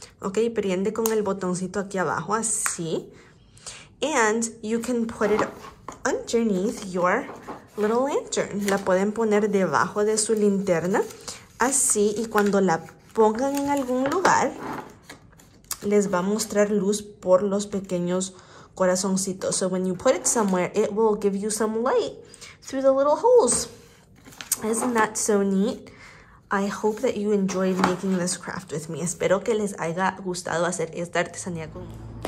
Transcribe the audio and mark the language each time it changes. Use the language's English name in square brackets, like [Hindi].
[Spanish] Ok, prende con el botoncito aquí abajo, así. [English] And you can put it underneath your little lantern. [Spanish] La pueden poner debajo de su linterna, así. Y cuando la pongan en algún lugar, les va a mostrar luz por los pequeños corazoncitos. [English] So when you put it somewhere, it will give you some light through the little holes. Isn't that so neat? I hope that you enjoyed making this craft with me. [Spanish] Espero que les haya gustado hacer esta artesanía conmigo.